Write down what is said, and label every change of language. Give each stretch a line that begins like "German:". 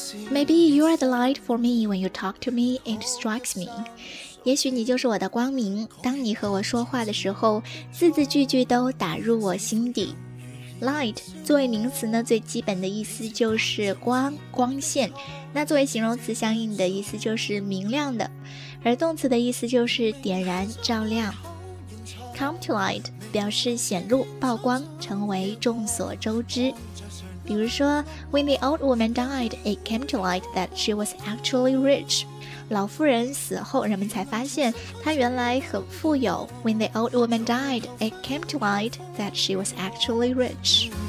English: Maybe you are the light for me when you talk to me, it strikes me.
Chinese: 也许你就是我的光明，当你和我说话的时候，字字句句都打入我心底。 Light 作为名词呢，最基本的意思就是光、光线。那作为形容词，相应的意思就是明亮的。而动词的意思就是点燃、照亮。 Come to light 表示显露、曝光、成为众所周知。
English: 比如说 When the old woman died, it came to light that she was actually rich.
Chinese: 老妇人死后，人们才发现她原来很富有。
English: When the old woman died, it came to light that she was actually rich.